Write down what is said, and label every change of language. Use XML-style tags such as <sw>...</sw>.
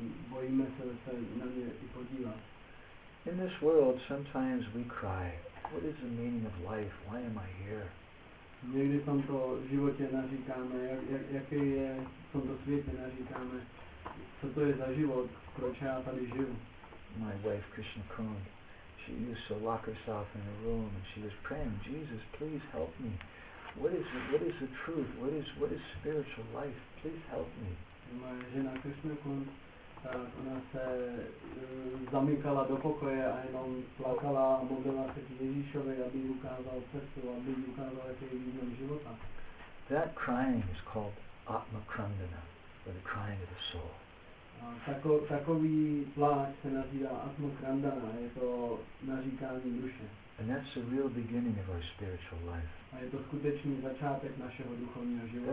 <cs>Bojíme se, že se na mě i podívá.</cs> <en>In this world, sometimes we cry, what is the meaning of life? Why am I here?</en> <cs>Někdy v tomto životě naříkáme, jaký je v tomto světě naříkáme, co to je za život, proč já tady žiju.</cs> <en>My wife, Krishna Kund, she used to lock herself in a room and she was praying, Jesus, please help me. What is the truth? What is spiritual life? Please help me.</en> <cs>Moje žena Krishna Kund, tak ona se zamykala do pokoje a jenom plakala a modlila se k Ježíšovi, aby ukázal cestu, aby ukázal, jaký je význam života.</cs> <en>That crying is called atmakrandana, or the crying of the soul.</en> <cs>Takový pláč se nazývá atmakrandana, je to naříkání duše.</cs> <en>And that's the real beginning of our spiritual life.</en> <cs>A je to skutečný začátek našeho duchovního života.</cs>